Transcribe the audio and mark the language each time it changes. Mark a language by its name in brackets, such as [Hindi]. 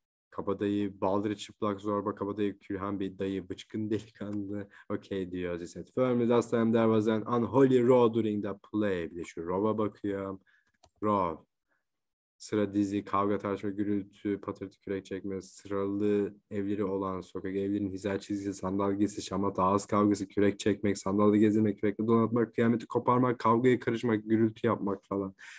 [Turkish] Kabadayı, baldırı çıplak zorba, kabadayı, külhan bir dayı, bıçkın delikanlı. Okay diyor. [English] He said firmly, last time there was an unholy row during the play. [Turkish] Bir de şu row'a bakıyorum. Row. Sıra dizi, kavga, tartışma, gürültü, patırtı, kürek çekme, sıralı evleri olan sokak, evlerin hizel çizgisi, sandalgesi, şamata, ağız kavgası, kürek çekmek, sandalye gezinmek, kürekle donatmak, kıyameti koparmak, kavgaya karışmak, gürültü yapmak falan.